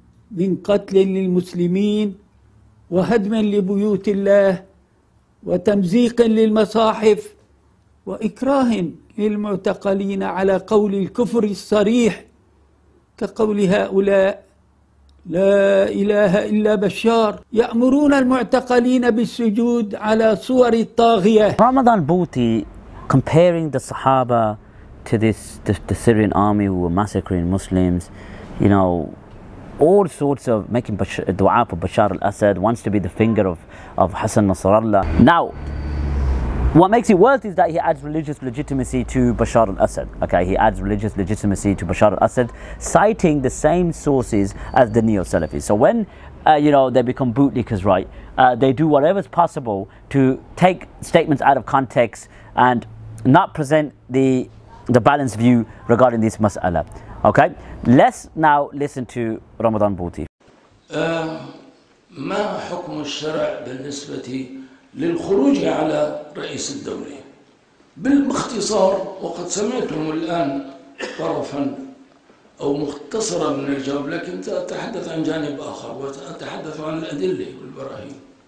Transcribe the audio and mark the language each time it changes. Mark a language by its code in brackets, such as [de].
[ar] من قتل للمسلمين وهدم لبيوت الله وتمزيق للمصاحف وإكراه للمعتقلين على قول الكفر الصريح كقول هؤلاء لا إله إلا بشار، يأمرون المعتقلين بالسجود على صور الطاغية. [en] رمضان بوتي comparing the Sahaba to this the Syrian army who were massacring Muslims, you know, all sorts of making dua for Bashar al-Assad, wants to be the finger of Hassan Nasrallah. Now, what makes it worse is that he adds religious legitimacy to Bashar al-Assad. Okay, he adds religious legitimacy to Bashar al-Assad, citing the same sources as the neo-Salafis. So when, you know, they become bootlickers, right, they do whatever's possible to take statements out of context and not present the balanced view regarding this mas'ala. Okay, let's now listen to Ramadan Bouti. [ar] ما حكم الشرع بالنسبة للخروج على رئيس الدولة؟ بالمختصر وقد سمعتم الآن طرفا أو مختصرا من الجواب، لكن سأتحدث عن جانب آخر وسأتحدث عن الأدلة والبراهين.